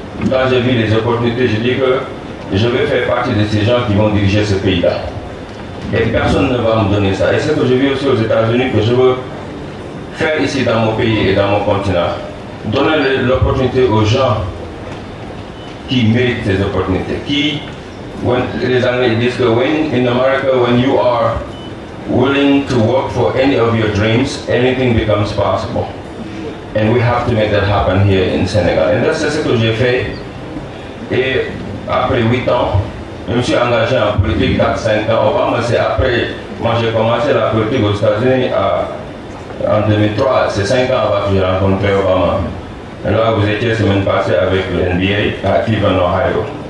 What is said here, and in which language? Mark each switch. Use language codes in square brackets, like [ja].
[fr] Quand j'ai vu les opportunités, j'ai dit que je vais faire partie de ces gens qui vont diriger ce pays-là. Et personne ne va me donner ça. Et ce que j'ai vu aussi aux États-Unis, que je veux faire ici dans mon pays et dans mon continent, donner l'opportunité aux gens qui méritent ces opportunités. Les Anglais disent que [en] when in America, when you are willing to work for any of your dreams, anything becomes possible. And we have to make that happen here in Senegal. [fr] Et c'est ce que j'ai fait. Et après 8 ans, je me suis engagé en politique 4-5 ans. Obama, c'est après. Moi, j'ai commencé la politique aux États-Unis en 2003. C'est 5 ans avant que j'ai rencontré Obama. Et là, vous étiez semaine passée avec le NBA à Cleveland, Ohio.